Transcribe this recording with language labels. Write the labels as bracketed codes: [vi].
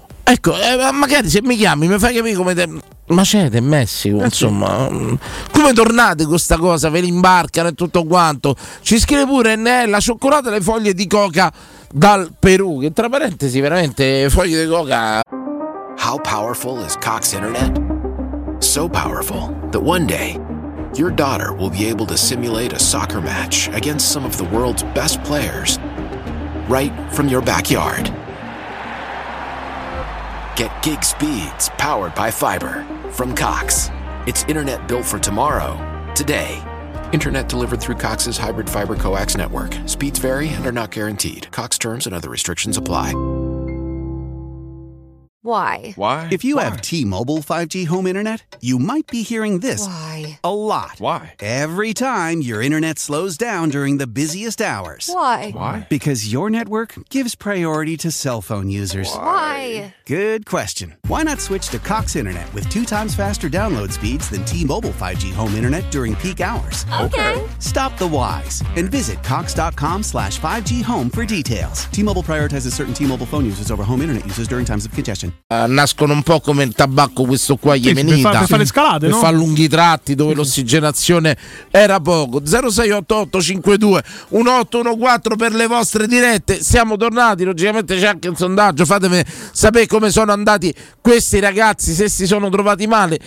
[it] Ecco, magari se mi chiami mi fai capire come macete in Messico, insomma. Sì. Come tornate con sta cosa? Ve li imbarcano e tutto quanto. Ci scrive pure la cioccolata e le foglie di coca dal Perù, che tra parentesi veramente foglie di coca. [en] How powerful is Cox Internet? So powerful that one day your daughter will be able to simulate a soccer match against some of the world's best players right from your backyard. Get gig speeds powered by fiber from Cox. It's internet built for tomorrow, today. Internet delivered through Cox's hybrid fiber coax network. Speeds vary and are not guaranteed. Cox terms and other restrictions apply. Why? If you have T-Mobile 5G home internet, you might be hearing this a lot. Why? Every time your internet slows down during the busiest hours. Why? Because your network gives priority to cell phone users. Why? Good question. Why not switch to Cox internet with 2x faster download speeds than T-Mobile 5G home internet during peak hours? Okay. Stop the whys and visit cox.com/5G home for details. T-Mobile prioritizes certain T-Mobile phone users over home internet users during times of congestion. [it] Nascono un po' come il tabacco, questo qua yemenita, per fare scalate, per no? Fare lunghi tratti dove l'ossigenazione era poco. 0688521814 per le vostre dirette. Siamo tornati, logicamente c'è anche un sondaggio, fatemi sapere come sono andati questi ragazzi, se si sono trovati male.